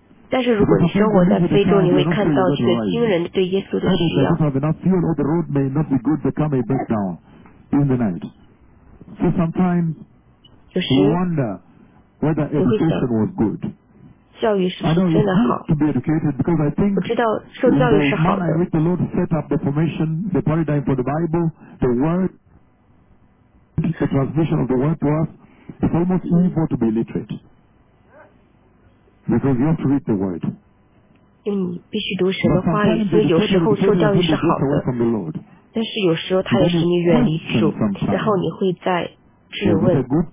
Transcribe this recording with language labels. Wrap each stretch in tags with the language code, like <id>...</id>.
<zh>但是如果你生活在非洲，你会看到一个惊人的对耶稣的需要。</zh> <en>Have enough fuel, or the road may not be good, the car may break down in the night. So sometimes you wonder whether education was good.</en> <zh>教育是真的好。不知道受教育是好的。</zh> <en>The Lord set up the formation, the paradigm for the Bible, the word, the transmission of the word to us. It's almost evil to be illiterate, because you have to read the word.</en> <zh>因为你必须读神的话语，所以有时候受教育是好的。但是有时候它使你远离主，然后你会在质问。</zh>